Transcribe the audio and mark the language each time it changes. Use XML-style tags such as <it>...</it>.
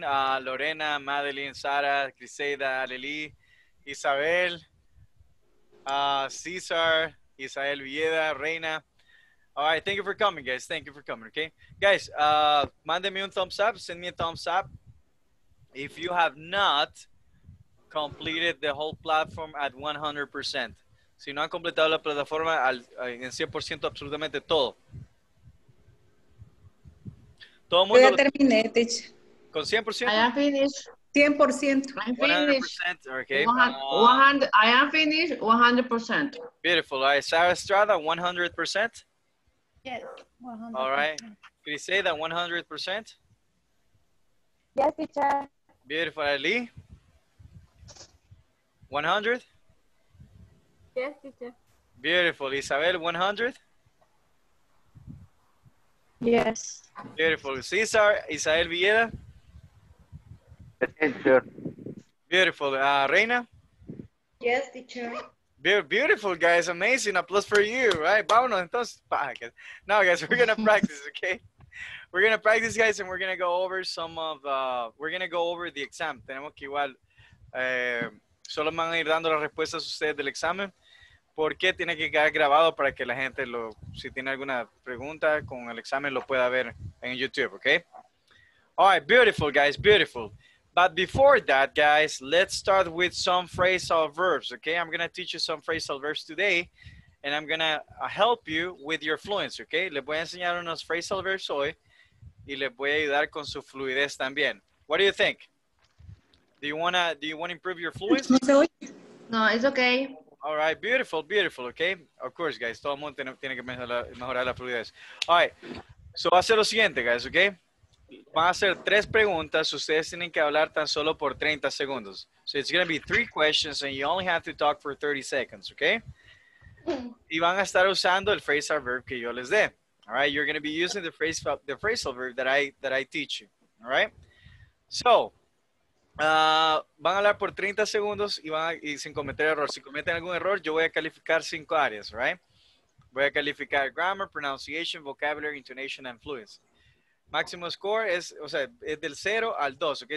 <es>Lorena, Madeline, Sara, Criseida, Aleli, Isabel, Cesar, Isabel Villeda, Reina.</es> <en>All right, thank you for coming, guys, thank you for coming, okay? Guys,</en> <es>mándenme un</es> <en>thumbs up, send me a thumbs up. If you have not completed the whole platform at 100%.</en> <es>Si no han completado la plataforma en 100%, absolutamente todo. Todo muy bien. Ya terminé, Tich. Con 100%.</es> <en>I am finished. 100%. I'm finished. 100%. Okay. 100, I am finished. 100%. Beautiful. All right. Sarah Estrada, 100%. Yes. 100%. All right. Can you say that 100%? Yes, teacher. Beautiful. Ali? 100? Yes, teacher. Beautiful. Isabel, 100? Yes. Beautiful. Cesar, Isabel Villeda? Yes, teacher. Beautiful. Reina? Yes, teacher. Beautiful, guys. Amazing. Applause for you, right?</en> <es>Vámonos, entonces.</es> <en>No, guys, we're going to practice, okay? We're going to practice, guys, and we're going to go over the exam.</en> <es>Tenemos que igual... Solo van a ir dando las respuestas ustedes del examen. ¿Por qué tiene que quedar grabado para que la gente, si tiene alguna pregunta con el examen, lo pueda ver en YouTube, okay?</es> <en>All right, beautiful, guys, beautiful. But before that, guys, let's start with some phrasal verbs, okay? I'm going to teach you some phrasal verbs today, and I'm going to help you with your fluency, okay?</en> <es>Les voy a enseñar unos phrasal verbs hoy, y les voy a ayudar con su fluidez también.</es> <en>What do you think? Do you wanna improve your fluency? No, it's okay. All right, beautiful, okay? Of course, guys,</en> <es>todo el mundo tiene que mejorar la fluidez.</es> <en>All right, so</en> <es>va a ser lo siguiente, guys, okay? Van a hacer tres preguntas, ustedes tienen que hablar tan solo por 30 segundos.</es> <en>So it's gonna be three questions and you only have to talk for 30 seconds, okay?</en> <es>Y van a estar usando el phrasal verb que yo les dé.</es> <en>All right, you're gonna be using the phrasal verb that I teach you, all right?</en> <es>So, van a hablar por 30 segundos y sin cometer error. Si cometen algún error, yo voy a calificar 5 áreas, right? Voy a calificar</es> <en>grammar, pronunciation, vocabulary, intonation, and fluency.</en> <es>Máximo score es del 0 al 2, ¿ok?</es>